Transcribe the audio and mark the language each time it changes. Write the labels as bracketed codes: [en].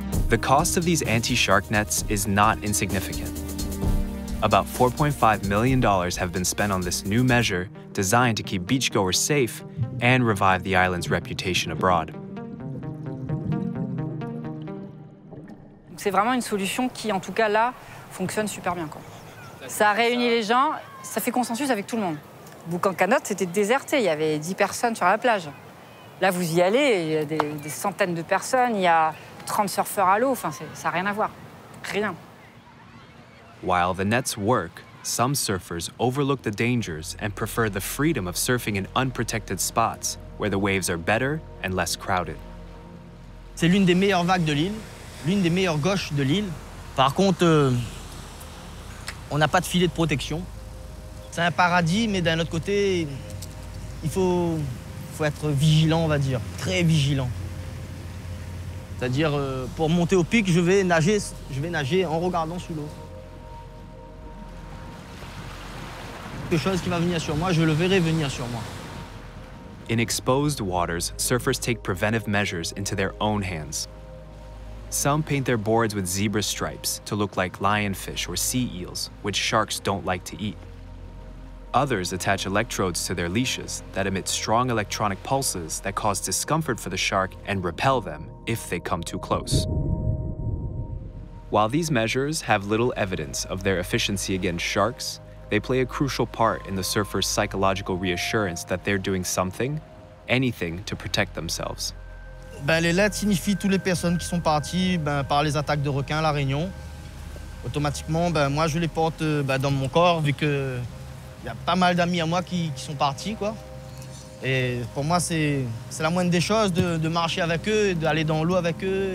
[en] The cost of these anti-shark nets is not insignificant. About $4.5 million have been spent on this new measure designed to keep beachgoers safe and revive the island's reputation abroad. [fr] C'est vraiment une solution qui, en tout cas là, fonctionne super bien. Quoi. Ça a réuni les gens, ça fait consensus avec tout le monde. Boucan-Canotte, c'était déserté, il y avait 10 personnes sur la plage. Là, vous y allez, il y a des centaines de personnes, il y a 30 surfeurs à l'eau, enfin, ça n'a rien à voir. Rien. [en] While the nets work, some surfers overlook the dangers and prefer the freedom of surfing in unprotected spots where the waves are better and less crowded. [fr] C'est l'une des meilleures vagues de l'île. L'une des meilleures gauches de l'île. Par contre, on n'a pas de filet de protection. C'est un paradis, mais d'un autre côté, il faut être vigilant, on va dire. Très vigilant. C'est-à-dire, pour monter au pic, je vais nager en regardant sous l'eau. Quelque chose qui va venir sur moi, je le verrai venir sur moi. [en] In exposed waters, surfers take preventive measures into their own hands. Some paint their boards with zebra stripes to look like lionfish or sea eels, which sharks don't like to eat. Others attach electrodes to their leashes that emit strong electronic pulses that cause discomfort for the shark and repel them if they come too close. While these measures have little evidence of their efficiency against sharks, they play a crucial part in the surfer's psychological reassurance that they're doing something, anything, to protect themselves. [fr] Ben, les lettres signifient toutes les personnes qui sont parties ben, par les attaques de requins à La Réunion. Automatiquement, ben, moi, je les porte ben, dans mon corps, vu qu'il y a pas mal d'amis à moi qui sont partis. Quoi. Et pour moi, c'est la moindre des choses de marcher avec eux, d'aller dans l'eau avec eux.